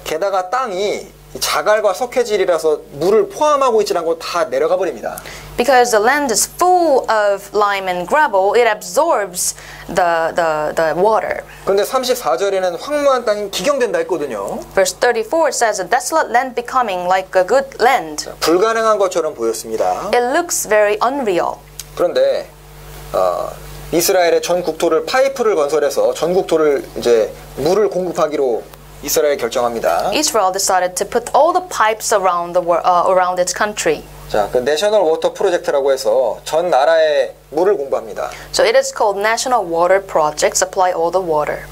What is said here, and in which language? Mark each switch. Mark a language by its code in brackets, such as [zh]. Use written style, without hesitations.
[ko] 게다가 땅이 자갈과 석회질이라서 물을 포함하고 있지 않고 다 내려가 버립니다. [en] Because the land is full of lime and gravel, it absorbs the water. [ko] 근데 34절에는 황무한 땅이 기경된다 했거든요. [en] Verse 34 says a desolate land becoming like a good land. [ko] 불가능한 것처럼 보였습니다. [en] It looks very unreal. [ko] 그런데 이스라엘의 전 국토를 파이프를 건설해서 전 국토를 이제 물을 공급하기로 이스라엘 결정합니다. [en] Israel decided to put all the pipes around the world, around its country. [ko] 자, 그 National Water Project라고 해서 전 나라에 물을 공급합니다. [en] So it is called National Water Project, supply all the water.